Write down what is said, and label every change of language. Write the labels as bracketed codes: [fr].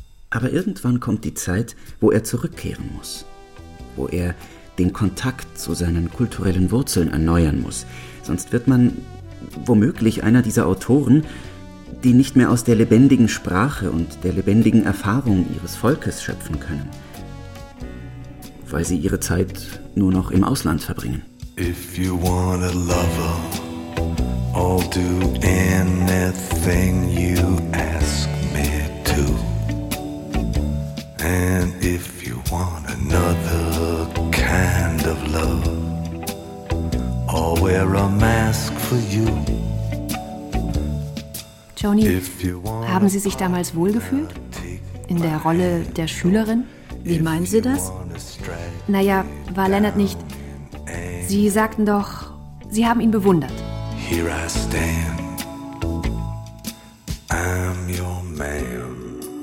[de] Aber irgendwann kommt die Zeit, wo er zurückkehren muss, wo er den Kontakt zu seinen kulturellen Wurzeln erneuern muss. Sonst wird man womöglich einer dieser Autoren, die nicht mehr aus der lebendigen Sprache und der lebendigen Erfahrung ihres Volkes schöpfen können, weil sie ihre Zeit nur noch im Ausland verbringen. [en] If you want a lover, I'll do anything you ask me to. And if you want another kind of love, I'll wear a mask for you. [de] Joni, haben Sie sich damals wohlgefühlt? In der Rolle der Schülerin? Wie meinen Sie das? Naja, war Leonard nicht. Sie sagten doch, Sie haben ihn bewundert. [en] Here I stand. I'm your man.